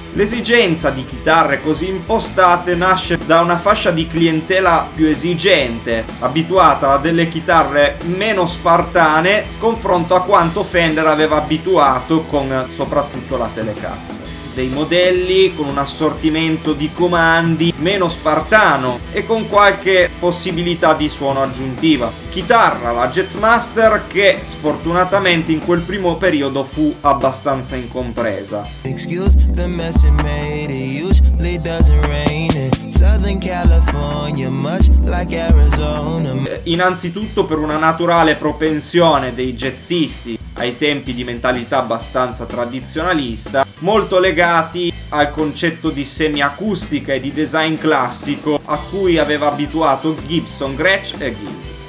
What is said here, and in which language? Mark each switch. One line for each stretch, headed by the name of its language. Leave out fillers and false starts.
Italian: L'esigenza di chitarre così impostate nasce da una fascia di clientela più esigente, abituata a delle chitarre meno spartane, confronto a quanto Fender aveva abituato con soprattutto la Telecaster. Dei modelli con un assortimento di comandi meno spartano e con qualche possibilità di suono aggiuntiva. Chitarra, la Jazzmaster, che sfortunatamente in quel primo periodo fu abbastanza incompresa.
English: Excuse the mess it made, it usually doesn't rain in Southern California, much like Arizona.
Italian: Innanzitutto per una naturale propensione dei jazzisti ai tempi di mentalità abbastanza tradizionalista, molto legati al concetto di semiacustica e di design classico a cui aveva abituato Gibson, Gretsch e Gill.